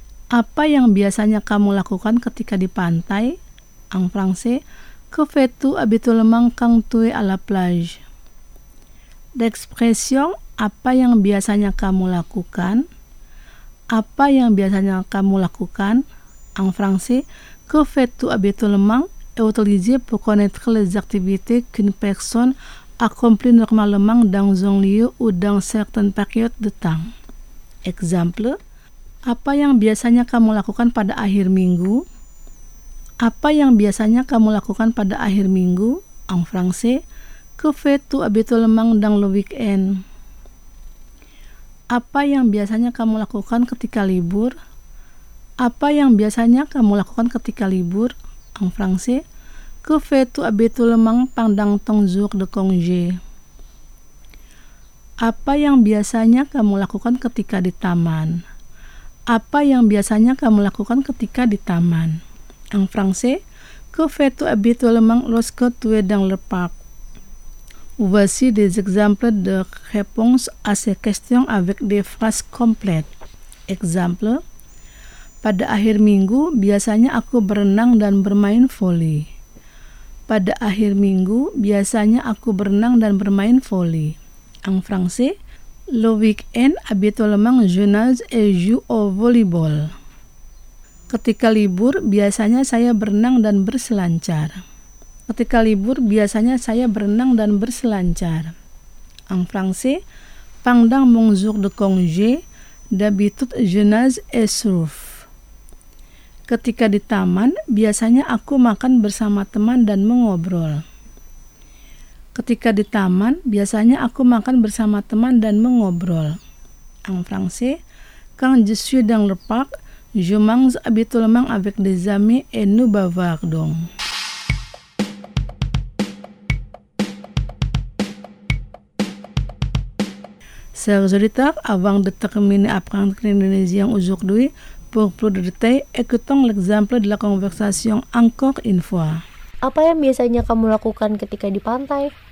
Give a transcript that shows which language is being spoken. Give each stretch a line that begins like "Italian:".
Indonesian: Apa yang biasanya kamu lakukan ketika di pantai?
French: En français, que fais-tu habituellement quand tu es à la plage? L'expression
Indonesian: apa yang biasanya kamu lakukan? Apa yang biasanya kamu lakukan?
French: En français, que fais-tu habituellement? Est utilisé pour connaître les activités qu'une personne accompli normal lemang dans zong liu ou dans certaines périodes de temps.
Indonesian: Exemple, apa yang biasanya kamu lakukan pada akhir minggu? Apa yang biasanya kamu lakukan pada akhir minggu?
French: En français, que fais-tu habituellement dans le week-end?
Indonesian: Apa yang biasanya kamu lakukan ketika libur? Apa yang biasanya kamu lakukan ketika libur?
French: En français, que fais-tu habituellement pendant ton jour de congé?
Indonesian: Apa yang biasanya kamu lakukan ketika di taman? Apa yang biasanya kamu lakukan ketika di taman?
French: En français, que fais-tu habituellement lorsque tu es dans le parc? Voici des exemples de réponses à ces questions avec des phrases complètes.
Indonesian: Exemple, pada akhir minggu, biasanya aku berenang dan bermain voli. Pada akhir minggu, biasanya aku berenang dan bermain voli.
French: En français, le week-end, habituellement, je nage et joue au volleyball.
Indonesian: Ketika libur, biasanya saya berenang dan berselancar. Ketika libur, biasanya saya berenang dan berselancar.
French: En français, pendant mon jour de congé, d'habitude, je nage et surf.
Indonesian: Ketika di taman, biasanya aku makan bersama teman dan mengobrol. Ketika di taman, biasanya aku makan bersama teman dan mengobrol.
French: En français, quand je suis dans le parc, je mange habituellement avec des amis et nous bavardons. Chers auditeurs, avant de terminer apprendre l'indonésien aujourd'hui, pour plus de détails, écoutons l'exemple de la conversation encore une fois.
Indonesian: Apa yang biasanya kamu lakukan ketika di pantai?